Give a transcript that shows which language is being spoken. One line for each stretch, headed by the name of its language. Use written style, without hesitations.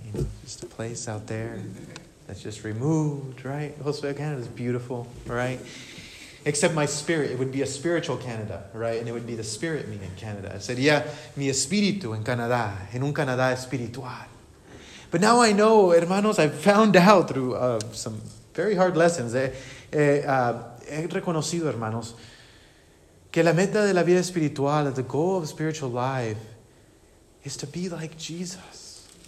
English: You know, just a place out there that's just removed, right? Also, Canada is beautiful, right? Except my spirit. It would be a spiritual Canada, right? And it would be the spirit me in Canada.
Spanish: Sería mi espíritu en Canadá, en un Canadá espiritual.
English: But now I know, hermanos, I've found out through some very hard lessons.
Spanish: He reconocido, hermanos, que la meta de la vida espiritual,
English: the goal of spiritual life, is to be like Jesus.